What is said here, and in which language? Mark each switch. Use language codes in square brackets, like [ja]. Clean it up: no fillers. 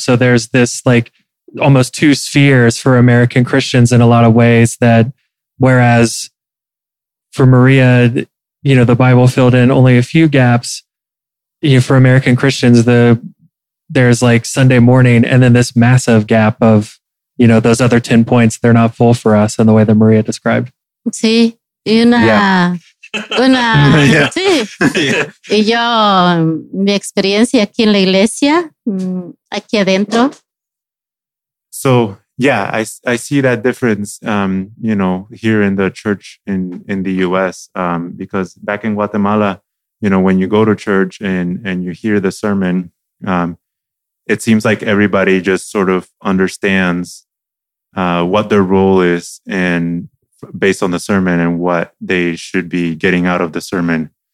[en] So there's this like almost 2 spheres for American Christians in a lot of ways, that whereas for Maria, you know, the Bible filled in only a few gaps. You know, for American Christians, there's like Sunday morning and then this massive gap of, you know, those other 10 points, they're not full for us in the way that Maria described. Sí, una yeah. Sí. Yeah. [es] Y yo, mi experiencia aquí en la iglesia, aquí adentro. [en] So, yeah, I see that difference, you know, here in the church in the U.S., because back in Guatemala, you know, when you go to church and you hear the sermon, it seems like everybody just sort of understands what their role is and based on the sermon and what they should be getting out of the sermon.